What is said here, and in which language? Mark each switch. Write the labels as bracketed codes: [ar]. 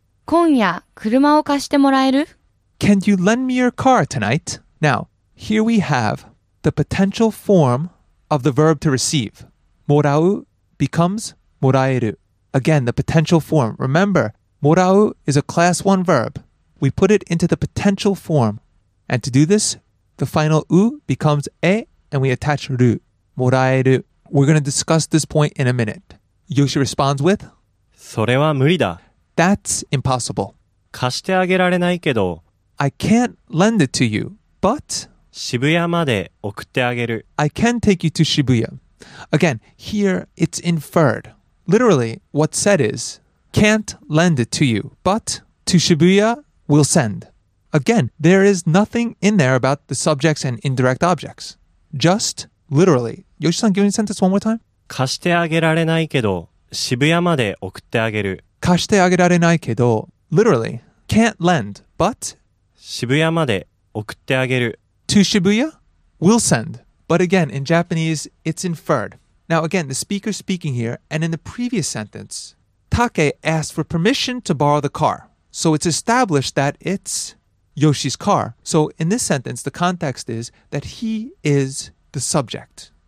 [ja] 今夜車を貸してもらえる? [en] Can you lend me your car tonight? Now, here we have the potential form of the verb to receive. もらう becomes もらえる.Again, the potential form. Remember, もらう is a class 1 verb. We put it into the potential form. And to do this, the final う becomes え and we attach る. [ja] もらえる. [en] We're going to discuss this point in a minute. Yoshi responds with [ja] それは無理だ. [en] That's impossible. [ja] 貸してあげられないけど. [en] I can't lend it to you, but [ja] 渋谷まで送ってあげる. [en] I can take you to Shibuya. Again, here it's inferred. Literally, what's said is can't lend it to you, but to Shibuya we'll send. Again, there is nothing in there about the subjects and indirect objects. Just literally. Yoshi-san, give me a sentence one more time. [ja] 貸してあげられないけど渋谷まで送ってあげる. 貸してあげられないけど, [en] literally, can't lend, but [ja] 渋谷まで送ってあげる. [en] To Shibuya, we'll send. But again, in Japanese, it's inferred. Now again, the speaker's speaking here, and in the previous sentence, Take asked for permission to borrow the car. So it's established that it's Yoshi's car. So in this sentence, the context is that he is the subject.